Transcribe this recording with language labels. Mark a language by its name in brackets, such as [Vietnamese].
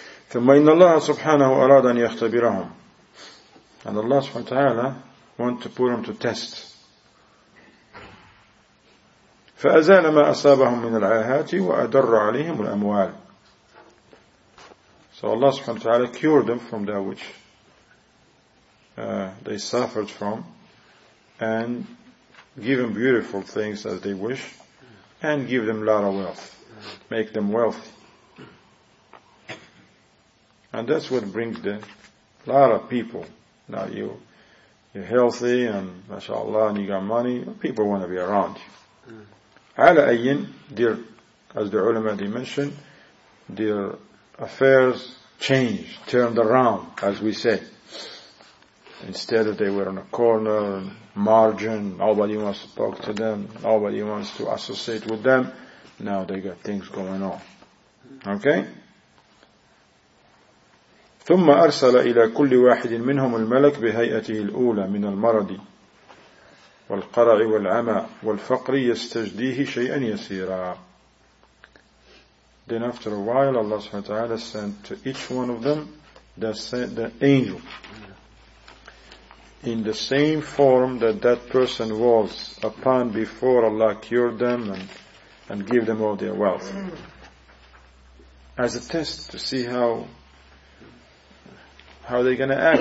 [Arabic] ثم إن الله سبحانه أراد أن يختبرهم. [English] And Allah subhanahu wa ta'ala want to put them to test. [Arabic] فأزال ما أصابهم من العاهات وأدر عليهم الأموال. [English] So Allah subhanahu wa ta'ala cured them from that which they suffered from, and give them beautiful things as they wish, and give them a lot of wealth, make them wealthy. And that's what brings the lot of people. Now you're healthy and mashallah and you got money, people want to be around you. [Arabic] Ala ayyin, [English] as the ulama they mentioned, their affairs changed, turned around, as we say. Instead of they were on a corner, margin, nobody wants to talk to them, nobody wants to associate with them, now they got things going on. Okay? [Arabic] ثم أرسل إلى كل واحد منهم الملك بهيئته الأولى من المرض والقرع والعمى والفقر يستجديه شيئا يسيرا. [English] Then after a while Allah subhanahu wa ta'ala sent to each one of them the angel in the same form that person was upon before Allah cured them and gave them all their wealth as a test to see how they going to act?